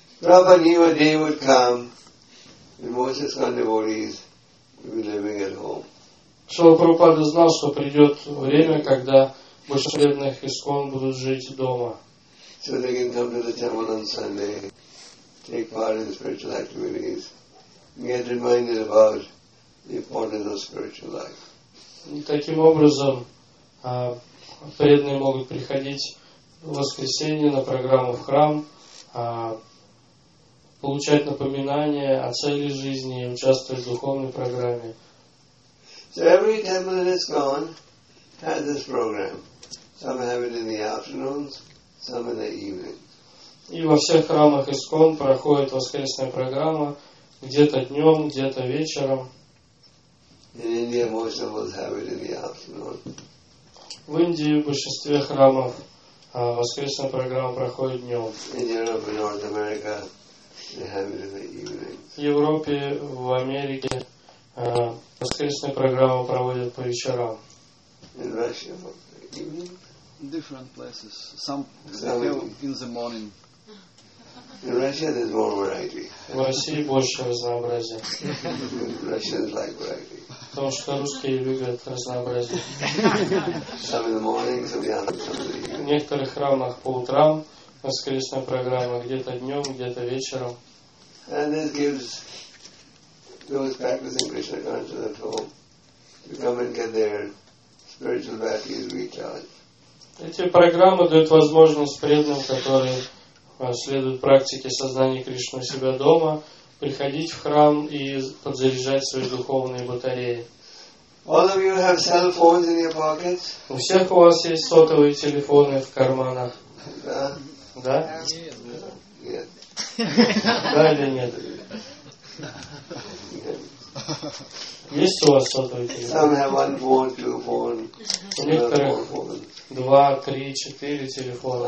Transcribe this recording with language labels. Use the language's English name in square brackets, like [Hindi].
[Russian] Шрила Прабхупада знал, что придет время, когда большинство преданных ИСККОН будут жить дома. [English] So they can come to the temple on Sunday, take part in spiritual activities. Get reminded about the importance of spiritual life. [Russian] Таким образом, преданные могут приходить в воскресенье на программу в храм, получать напоминания о цели жизни и участвовать в духовной программе. [English] So every temple that is gone has this program. Some have it in the afternoons, some in the evenings. [Russian] И во всех храмах ИСККОН проходит воскресная программа. Где-то днем, где-то вечером. [English] In India, most of us have it in the afternoon. [Russian] В Индии в большинстве храмов воскресная программа проходит днем. [English] In Europe, in North America, they have it in the evenings. [Russian] В Европе, в Америке воскресная программа проводят по вечерам. [English] In Russia, in the evening? Different places. Some in the morning. In Russia, there's more variety. [Russian] В России больше разнообразия. [English] Russians like variety. [Russian] Потому что русские любят разнообразие. [English] Some in the morning, some in the afternoon. [Russian] В некоторых храмах по утрам воскресная программа, где-то днем, где-то вечером. [English] And this gives those practicing Krishna consciousness at home to come and get their spiritual batteries recharged. [Russian] Эти программы дают возможность преданным, которые следует практике сознания Кришны у себя дома, приходить в храм и подзаряжать свои духовные батареи. [English] All of you have cell phones in your pockets? [Russian] У всех у вас есть сотовые телефоны в карманах? Да? Да? Да или нет? Есть у вас сотовые телефоны? [English] Some have one phone, two phones. [Russian] У некоторых два, три, четыре телефона.